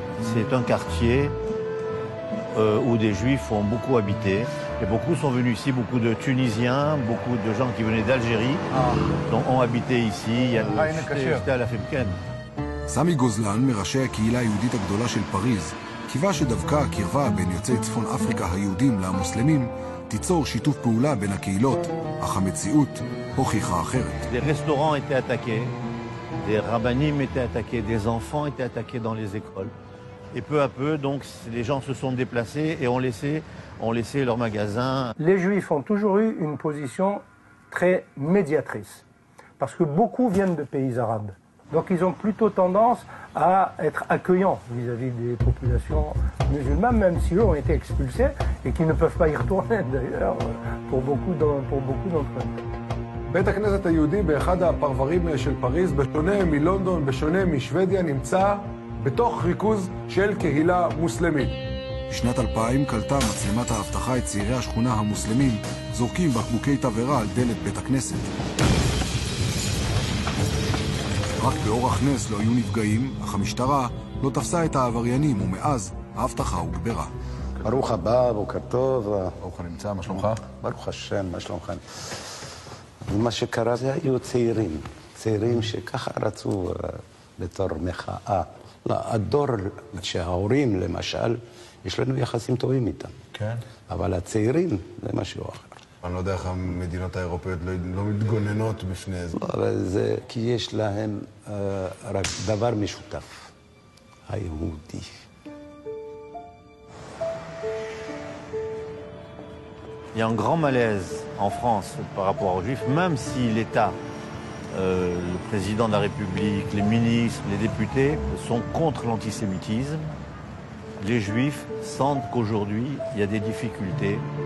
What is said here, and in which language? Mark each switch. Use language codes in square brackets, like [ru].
[fr] C'est un quartier où des Juifs ont beaucoup habité. Et beaucoup sont venus ici, beaucoup de Tunisiens, beaucoup de gens qui venaient d'Algérie ont habité ici. J'étais à la Femkène. [he] Sami Gozlan, מראשי הקהילה היהודית הגדולה של פריז, קיווה שדווקא הקרבה בין יוצאי צפון אפריקה היהודים למוסלמים תיצור שיתוף פעולה בין הקהילות, אך המציאות הוכיחה אחרת. [fr] Les restaurants étaient attaqués. Des rabbinim étaient attaqués, des enfants étaient attaqués dans les écoles. Et peu à peu, donc, les gens se sont déplacés et ont laissé leurs magasins. Les Juifs ont toujours eu une position très médiatrice, parce que beaucoup viennent de pays arabes. Donc ils ont plutôt tendance à être accueillants vis-à-vis des populations musulmanes, même si eux ont été expulsés et qu'ils ne peuvent pas y retourner, d'ailleurs, pour beaucoup d'entre eux. [he] בית הכנסת היהודי באחד הפרברים של פריז, בשונה מלונדון, בשונה משוודיה, נמצא בתוך ריכוז של קהילה מוסלמית. בשנת 2000 קלטה מצלמת האבטחה את צעירי השכונה המוסלמים, זורקים בקבוקי תבערה על דלת בית הכנסת. רק באורח נס לא היו נפגעים, אך המשטרה לא תפסה את העבריינים, ומאז האבטחה הוגברה. ברוך הבא, בוקר טוב. ברוך הנמצא, מה שלומך? ברוך השם, מה שלומך? ומה שקרה זה היו צעירים, צעירים שככה רצו בתור מחאה. הדור שההורים, למשל, יש לנו יחסים טובים איתם. כן. אבל הצעירים זה משהו אחר. אני לא יודע איך המדינות האירופאיות לא מתגוננות בפני זה. לא, זה כי יש להם רק דבר משותף, היהודי. [fr] Il y a un grand malaise en France par rapport aux Juifs, même si l'État, le président de la République, les ministres, les députés sont contre l'antisémitisme. Les Juifs sentent qu'aujourd'hui, il y a des difficultés.